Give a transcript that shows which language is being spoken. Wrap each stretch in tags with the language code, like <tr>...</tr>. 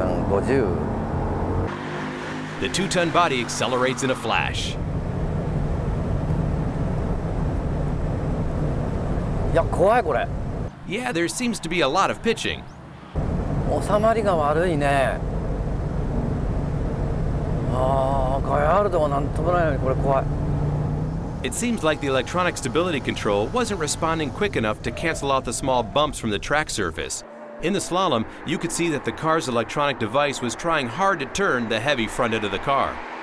<en>The 2-ton body accelerates in a flash. Yeah, there seems to be a lot of pitching.</en> <ja>収まりが悪いね。ガヤルドはなんともないのに、これ怖い。</ja> <en>It seems like the electronic stability control wasn't responding quick enough to cancel out the small bumps from the track surface. In the slalom, you could see that the car's electronic device was trying hard to turn the heavy front end of the car.</en>